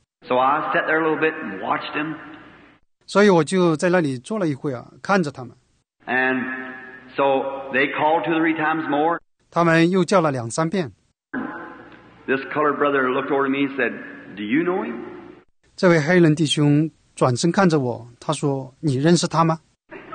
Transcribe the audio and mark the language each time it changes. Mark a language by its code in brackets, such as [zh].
[en] So I sat there a little bit and watched him. [zh] 所以我就在那里坐了一会儿，看着他们。 [en] And so they called two or three times more. [zh] 他们又叫了两三遍。 [en] This colored brother looked over to me and said, "Do you know him?" [zh] 这位黑人弟兄转身看着我，他说：“你认识他吗？”